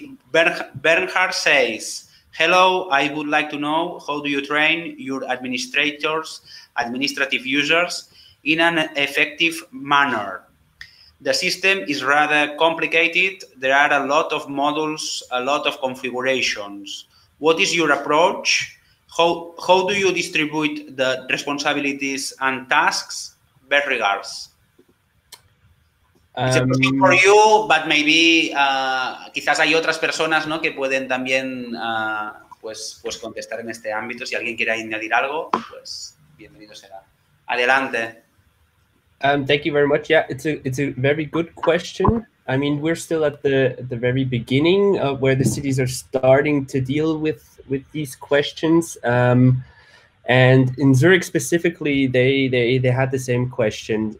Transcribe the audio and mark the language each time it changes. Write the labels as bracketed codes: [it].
[en] Bernhard says, hello, I would like to know how do you train your administrative users in an effective manner? The system is rather complicated. There are a lot of modules, a lot of configurations. What is your approach? How do you distribute the responsibilities and tasks? Best regards. It's a question for you, but maybe [es] quizás hay otras personas, ¿no?, que pueden también pues contestar en este ámbito. Si alguien quiere añadir algo, pues bienvenido será. Adelante. [en] Thank you very much. Yeah, it's a very good question. I mean, we're still at the very beginning of where the cities are starting to deal with these questions. And in Zurich specifically, they had the same question.